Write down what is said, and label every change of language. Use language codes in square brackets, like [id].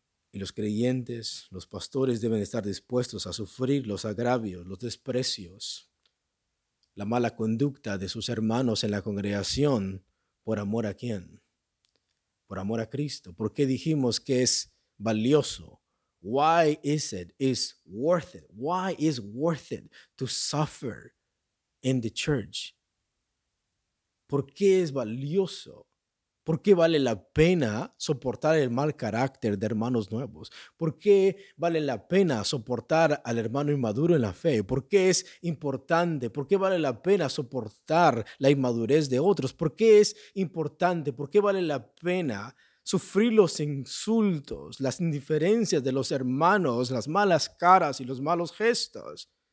[es] Y los creyentes, los pastores deben de estar dispuestos a sufrir los agravios, los desprecios, la mala conducta de sus hermanos en la congregación. ¿Por amor a quién? Por amor a Cristo. ¿Por qué dijimos que es valioso? [en] Why is it? It's worth it. Why is worth it to suffer in the church? [es] ¿Por qué es valioso? ¿Por qué vale la pena soportar el mal carácter de hermanos nuevos? ¿Por qué vale la pena soportar al hermano inmaduro en la fe? ¿Por qué es importante? ¿Por qué vale la pena soportar la inmadurez de otros? ¿Por qué es importante? ¿Por qué vale la pena sufrir los insultos, las indiferencias de los hermanos, las malas caras y los malos gestos?